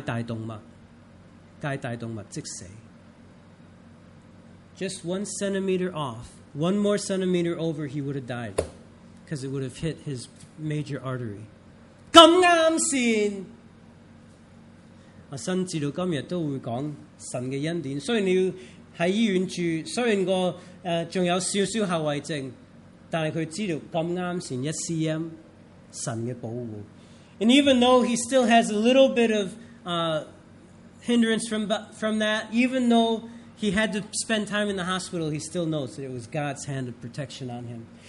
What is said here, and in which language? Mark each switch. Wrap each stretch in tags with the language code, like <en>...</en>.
<zh>但是那把刀呢,这么巧,差一cm,戒大动脉,戒大动脉即死。</zh> <en>Just 1 centimeter off, 1 more centimeter over, he would have died. Because it would have hit his major artery.</en> <zh>這麼巧! 我甚至到今天都會講神的恩典, 雖然你要在醫院住, 雖然還有少少後遺症, 但是他知道這麼巧, 1cm, 神的保護。</zh> <en>And even though he still has a little bit of hindrance from that, even though he had to spend time in the hospital, he still knows that it was God's hand of protection on him.</en>